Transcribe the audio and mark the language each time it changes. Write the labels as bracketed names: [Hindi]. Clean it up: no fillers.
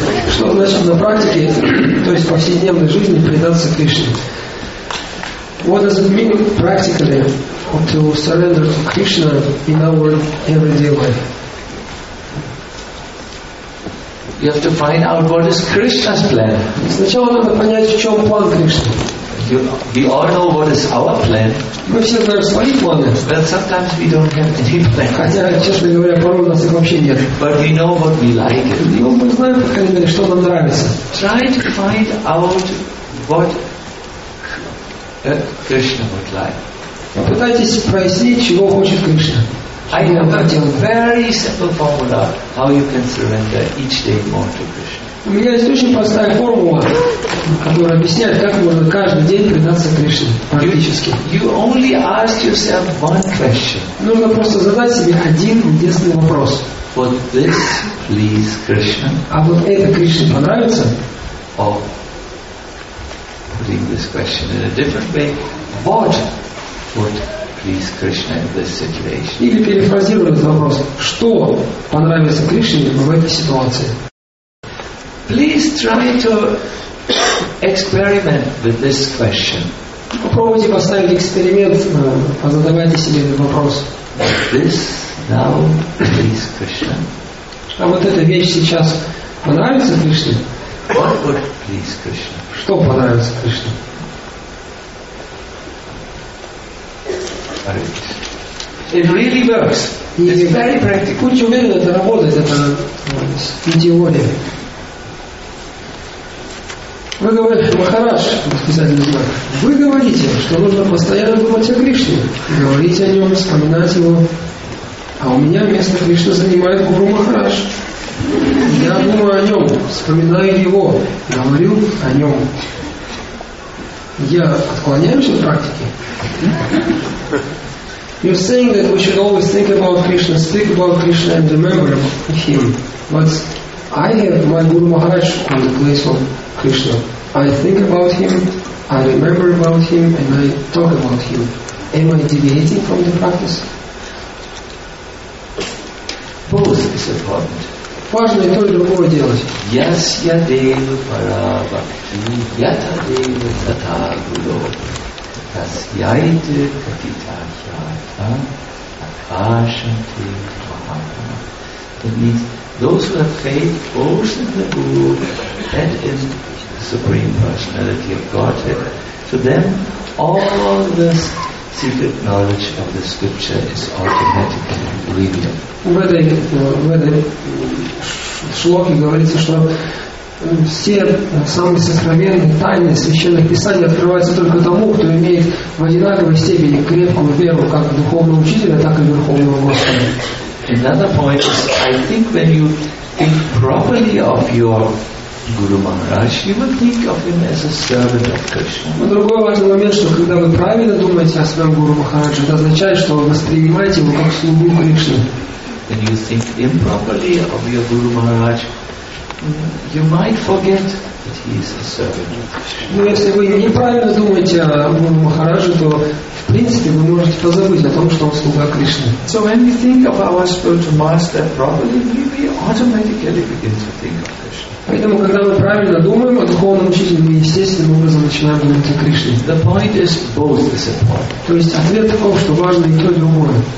[Russian] Что значит на практике, то есть в повседневной жизни предаться Кришне? [English] What does it mean practically to surrender to Krishna in our everyday life? You have to find out what is Krishna's plan. [Russian] Сначала надо понять, в чем план Кришны. [English] We all know what is our plan. [Russian] Мы все знаем свои планы. [English] But sometimes we don't have any plan. [Russian] Хотя, честно говоря, порой у нас их вообще нет. [English] But we know what we like. [Russian] Но мы знаем, по крайней мере, что нам нравится. [English] Try to find out what Krishna would like. [Russian] Попытайтесь прояснить, чего хочет Кришна. [English] I have a very simple formula how you can surrender each day more to Krishna. [Russian] У меня есть очень простая формула, которая объясняет, как можно каждый день предаться Кришне практически. [English] You only ask yourself one question. [Russian] Нужно просто задать себе один единственный вопрос. [English] Would this please Krishna? [Russian] А вот это Кришне понравится? [English] Or putting this question in a different way, what would please Krishna in this situation? [Russian] Или перефразируя этот вопрос, что понравится Кришне в этой ситуации? [English] Please try to experiment with this question. [Russian] Попробуйте поставить эксперимент, позадавайте себе этот вопрос. [English] This now, please Krishna. [Russian] А вот эта вещь сейчас понравится Кришне? [English] What would please Krishna? [Russian] Что понравится Кришне? [English] It really works. It's very practical. [Russian] Будьте уверены, это работает, это теория. Вы говорите, Махарадж, вы говорите, что нужно постоянно думать о Кришне. Говорить о нем, вспоминать его. А у меня место Кришны занимает Гуру Махарадж. Я думаю о нем, вспоминаю его, говорю о нем. Я отклоняюсь от практики. [English] You're saying that we should always think about Krishna, speak about Krishna and remember him. But I have my Guru Maharaj on the place of Krishna. I think about him, I remember about him, and I talk about him. Am I deviating from the practice? Both is important. [Russian] Важно и то, и другое делать. [Sanskrit] Yasya deva para bhakti yata deva tata guru tasyaite katita yata akashanti mahatma. [English] That means those who have faith both in the Guru and in Supreme Personality of Godhead, to them all this secret knowledge of the scripture is automatically revealed. [Russian] В этой шлоке говорится, что все самые сокровенные тайны священных писаний открываются только тому, кто имеет в одинаковой степени крепкую веру как духовного учителя, так и верховного Господа. [English] Another point is, I think when you think properly of your Guru Maharaj, you will think of him as a servant of Krishna. [Russian] Другой важный момент, что когда вы правильно думаете о своем Гуру Махарадже, это означает, что вы воспринимаете его как слугу Кришны. [English] When you think improperly of your Guru Maharaj, you might forget that he is a servant of Krishna. [Russian] Но если вы неправильно думаете о Гуру Махарадже, то в принципе вы можете позабыть о том, что он слуга Кришны. [English] So when we think of our spiritual master properly, we automatically begin to think of Krishna. [Russian] Поэтому, когда мы правильно думаем о духовном учителе, мы естественным образом начинаем думать о Кришне. [English] The point is both is important. [Russian] То есть ответ таков, что важно и то, и другое.